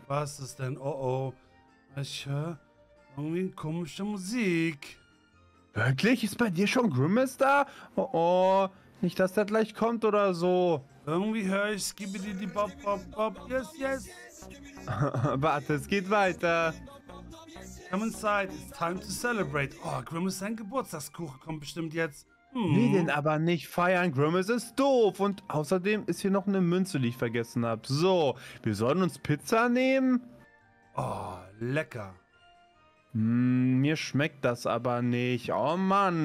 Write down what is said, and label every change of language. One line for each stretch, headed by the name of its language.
German: Was ist denn? Ich höre irgendwie komische Musik. Wirklich? Ist bei dir schon Grimace da? Nicht, dass der gleich kommt oder so. Irgendwie höre ich Skibidi die Bob, Bob, Bob.
English: Yes, yes.
German: Warte, es geht weiter.
English: Come inside, it's time to celebrate.
German: Oh, Grimace, sein Geburtstagskuchen kommt bestimmt jetzt. Nee, denn aber nicht feiern. Grimace ist doof. Und außerdem ist hier noch eine Münze, die ich vergessen habe. So, wir sollen uns Pizza nehmen. Oh, lecker. Mir schmeckt das aber nicht. Oh Mann.